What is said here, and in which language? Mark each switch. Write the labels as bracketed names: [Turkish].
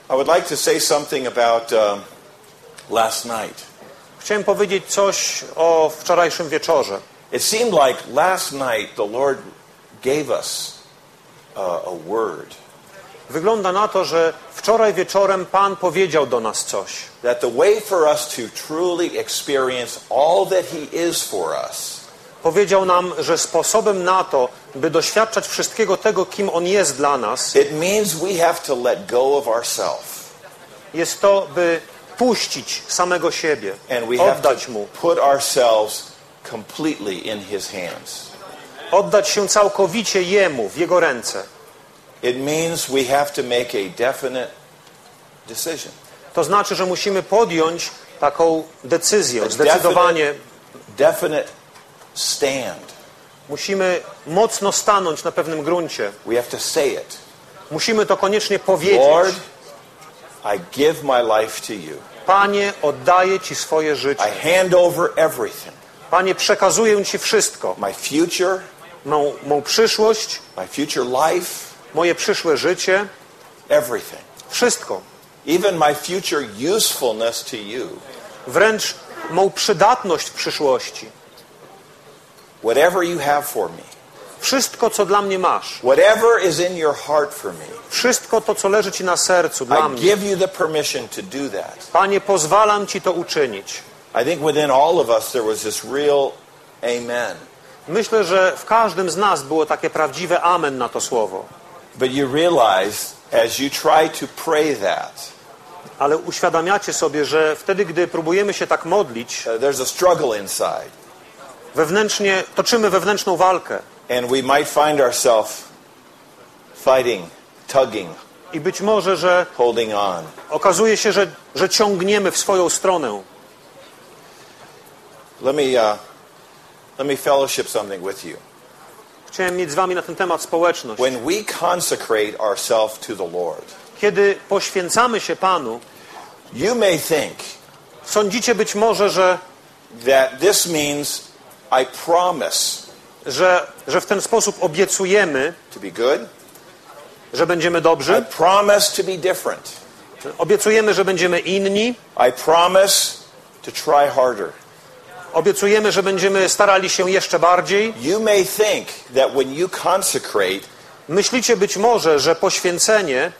[English] I would like to say something about last night. [Polish] Chciałem powiedzieć coś o wczorajszym wieczorze. [English] It seemed like last night the Lord gave us a word. [Polish] Wygląda na to, że wczoraj wieczorem Pan powiedział do nas coś. [English] That the way for us to truly experience all that He is for us. [Polish] Powiedział nam, że sposobem na to, by doświadczać wszystkiego tego, kim On jest dla nas, [English] it means we have to let go of ourselves. [Polish] Jest to, by puścić samego siebie, [English] and we [Polish] oddać [English] have to [Polish] Mu. [English] Put ourselves completely in His hands. [Polish] Oddać się całkowicie Jemu, w Jego ręce. [English] It means we have to make a definite decision. [Polish] To znaczy, że musimy podjąć taką decyzję, zdecydowanie. [English] Definite stand. [Polish] Musimy mocno stanąć na pewnym gruncie. [English] We have to say it. [Polish] Musimy to koniecznie powiedzieć. [English] Lord, I give my life to you. [Polish] Panie, oddaję Ci swoje życie. [English] I hand over everything. [Polish] Panie, przekazuję Ci wszystko. [English] My future. [Polish] Mą przyszłość. [English] My future life. [Polish] Moje przyszłe życie. [English] Everything. [Polish] Wszystko. [English] Even my future usefulness to you. [Polish] Wręcz mą przydatność w przyszłości. [English] Whatever you have for me. [Polish] Wszystko, co dla mnie masz. [English] Whatever is in your heart for me. [Polish] Wszystko to, co leży ci na sercu dla mnie. [English] I give you the permission to do that. [Polish] Panie, pozwalam ci to uczynić. [English] I think within all of us there was this real amen. [Polish] Myślę, że w każdym z nas było takie prawdziwe amen na to słowo. [English] But you realize as you try to pray that. [Polish] Ale uświadamiacie sobie, że wtedy gdy próbujemy się tak modlić, [English] there's a struggle inside. [Polish] Wewnętrznie toczymy wewnętrzną walkę. [English] And we might find ourselves fighting, tugging. [Polish] I być może, że [English] holding on. [Polish] Okazuje się, że ciągniemy w swoją stronę. [English] Let me fellowship something with you. [Polish] Chciałem mieć z wami na ten temat społeczność. [English] When we consecrate ourselves to the Lord, [Polish] Kiedy poświęcamy się Panu, [English] you may think, [Polish] sądzicie być może, że [English] that this means I promise, [Polish] że w ten sposób obiecujemy, [English] to be good, [Polish] że będziemy dobrzy. [English] I promise to be different. [Polish] Obiecujemy, że będziemy inni. [English] I promise to try harder. [Polish] Obiecujemy, że będziemy starali się jeszcze bardziej. [English] You may think that when you consecrate, [Polish] myślicie być może, że poświęcenie,